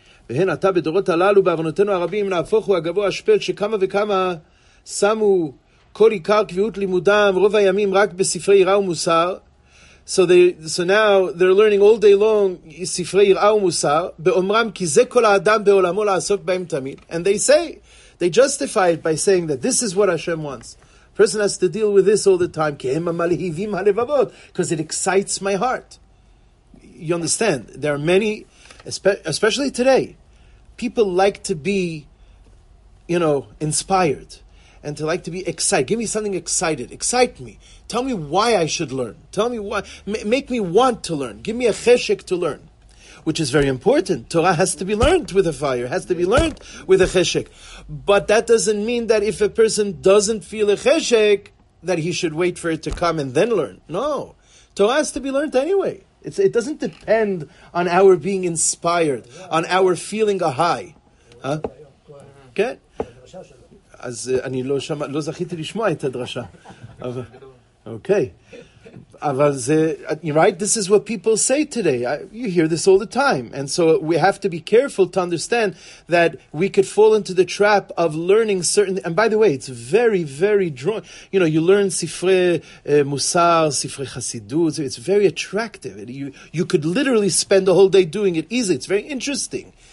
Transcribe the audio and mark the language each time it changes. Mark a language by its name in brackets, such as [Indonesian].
[Hebrew] והן אתה בדורות הללו בעוונותינו הרבים נהפוך הוא הגבוה השפל שכמה וכמה שמו כל עיקר קביעות לימודם רוב הימים רק בספרי יראה ומוסר. [English] So now they're learning all day long [Hebrew] ספרי יראה ומוסר באומרם כי זה כל האדם בעולמו לעסוק בהם תמיד. [English] And they say, they justify it by saying that this is what Hashem wants. Person has to deal with this all the time. Because it excites my heart. You understand? There are many, especially today, people like to be, you know, inspired. And to like to be excited. Give me something excited. Excite me. Tell me why I should learn. Tell me why. Make me want to learn. Give me a cheshek to learn. Which is very important. Torah has to be learned with a fire. Has to be learned with a cheshek. But that doesn't mean that if a person doesn't feel a cheshek, that he should wait for it to come and then learn. No. Torah has to be learned anyway. It doesn't depend on our being inspired, on our feeling a high. Huh? Okay? [Hebrew] אז אני לא זכיתי לשמוע את הדרשה. Okay. אבל זה, right? [English] This is what people say today. You hear this all the time. And so we have to be careful to understand that we could fall into the trap of learning certain... And by the way, it's very, very drawn. You know, you learn Sifrei Musar, Sifrei Chassidut. It's very attractive. You could literally spend the whole day doing it easily. It's very interesting.